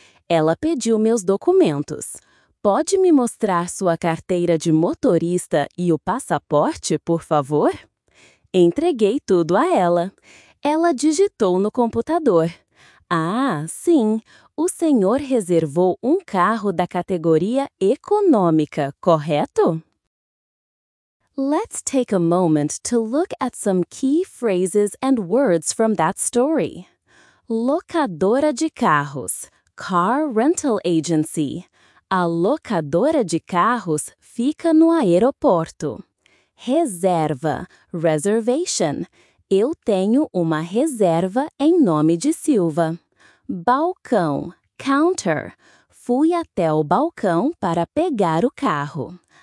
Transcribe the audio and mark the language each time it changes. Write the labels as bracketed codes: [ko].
[pt] Ela pediu meus documentos. Pode me mostrar sua carteira de motorista e o passaporte, por favor? Entreguei tudo a ela. Ela digitou no computador. Ah, sim, o senhor reservou um carro da categoria econômica, correto? [en] Let's take a moment to look at some key phrases and words from that story. [pt] Locadora de carros. [en] Car rental agency. [pt] A locadora de carros fica no aeroporto. Reserva. [en] Reservation. [pt] Eu tenho uma reserva em nome de Silva. Balcão. [en] Counter. [pt] Fui até o balcão para pegar o carro.